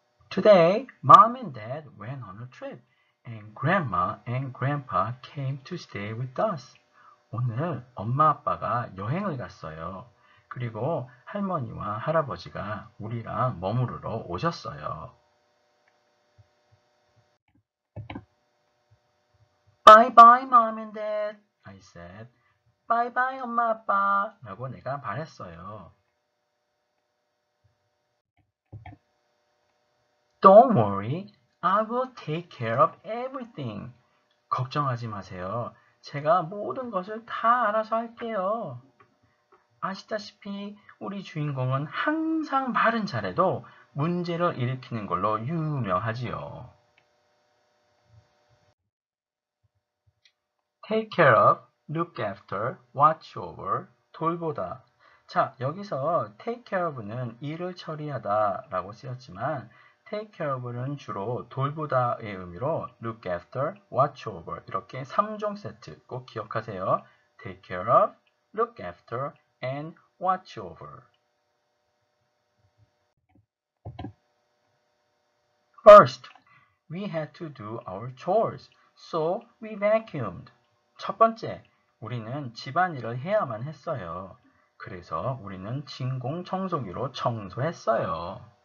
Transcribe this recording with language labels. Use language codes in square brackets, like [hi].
[en] Today, mom and dad went on a trip, and grandma and grandpa came to stay with us. [ko] 오늘 엄마 아빠가 여행을 갔어요. 그리고 할머니와 할아버지가 우리랑 머무르러 오셨어요. [en] Bye bye mom and dad, I said. Bye bye [ko] 엄마 아빠, 라고 내가 말했어요. [en] Don't worry, I will take care of everything. [ko] 걱정하지 마세요. 제가 모든 것을 다 알아서 할게요. 아시다시피 우리 주인공은 항상 말은 잘해도 문제를 일으키는 걸로 유명하지요. [en] Take care of, look after, watch over, [ko] 돌보다. 자, 여기서 take care of는 일을 처리하다 라고 쓰였지만 take care of는 주로 돌보다의 의미로 look after, watch over 이렇게 3종 세트 꼭 기억하세요. [en] Take care of, look after, and watch over. First, we had to do our chores, so we vacuumed. [ko] 첫 번째, 우리는 집안일을 해야만 했어요. 그래서 우리는 진공청소기로 청소했어요.